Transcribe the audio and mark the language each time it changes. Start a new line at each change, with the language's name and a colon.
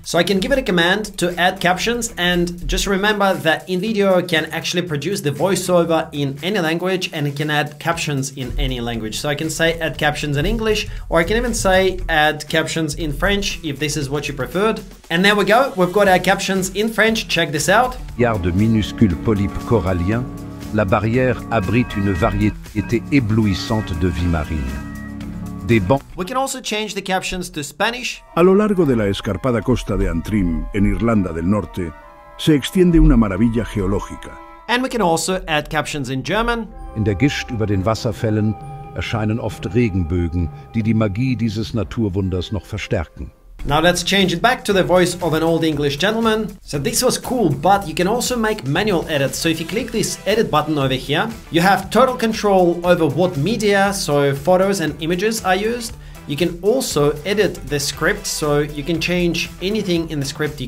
English: So I can give it a command to add captions, and just remember that InVideo can actually produce the voiceover in any language, and it can add captions in any language. So I can say add captions in English, or I can even say add captions in French if this is what you preferred. And there we go, we've got our captions in French. Check this out.
French: Yard de minuscule polype corallien. La barrière abrite une variété éblouissante de vie marine. de Bon.
English: We can also change the captions to Spanish.
Spanish: A lo largo de la escarpada costa de Antrim, en Irlanda del Norte, se extiende una maravilla geológica.
English: And we can also add captions in German.
German: In der Gischt über den Wasserfällen erscheinen oft Regenbögen, die Magie dieses Naturwunders noch verstärken.
English: Now let's change it back to the voice of an old English gentleman. So this was cool, but you can also make manual edits. So if you click this edit button over here, you have total control over what media, so photos and images are used. You can also edit the script, so you can change anything in the script.